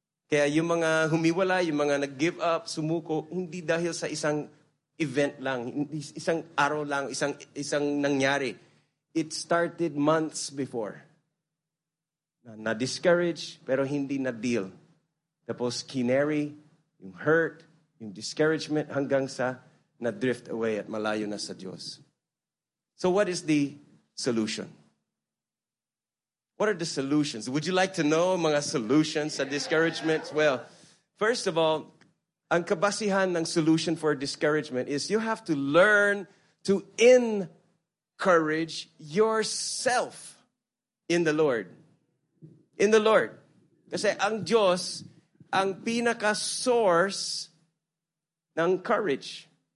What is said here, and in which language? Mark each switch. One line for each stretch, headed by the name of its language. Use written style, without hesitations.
Filipino: Kaya yung mga humiwala, yung mga nag-give up, sumuko, hindi dahil sa isang event lang, isang araw lang, isang nangyari.
English: It started months before.
Filipino: Na-discourage, pero hindi na-deal. Tapos kinary, yung hurt, yung discouragement, hanggang sa na-drift away at malayo na sa Diyos.
English: So what is the solution? What are the solutions? Would you like to know mga solutions sa discouragement? Well, first of all,
Filipino: ang kabasihan ng
English: solution for discouragement is you have to learn to encourage yourself in the Lord. In the Lord.
Filipino: Kasi ang Diyos, ang pinaka-source ng courage.